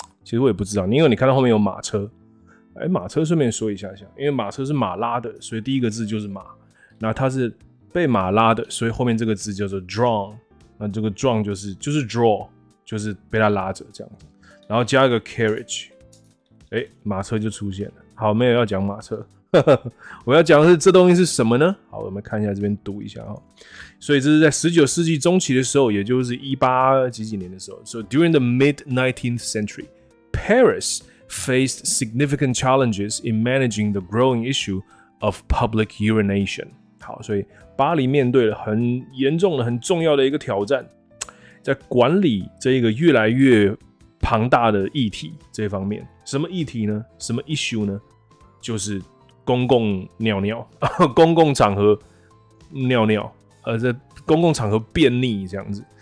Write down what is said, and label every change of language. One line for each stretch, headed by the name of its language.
Chinese: 其实我也不知道，因为你看到后面有马车，马车顺便说一下，因为马车是马拉的，所以第一个字就是马，那它是被马拉的，所以后面这个字叫做 drawn， 那这个 drawn 就是 draw， 就是被它拉着这样子，然后加一个 carriage。马车就出现了。好，没有要讲马车，我要讲的是这东西是什么呢？好，我们看一下这边读一下哈。所以这是在19世纪中期的时候，也就是18几几年的时候。
English: So during the mid 19th century, Paris faced significant challenges in managing the growing issue of public urination.
Chinese: 好，所以巴黎面对了很严重的、很重要的一个挑战，在管理这一个越来越庞大的议题这方面。什么议题呢？什么 issue 呢？就是公共尿尿，公共场合尿尿，在公共场合便溺这样子。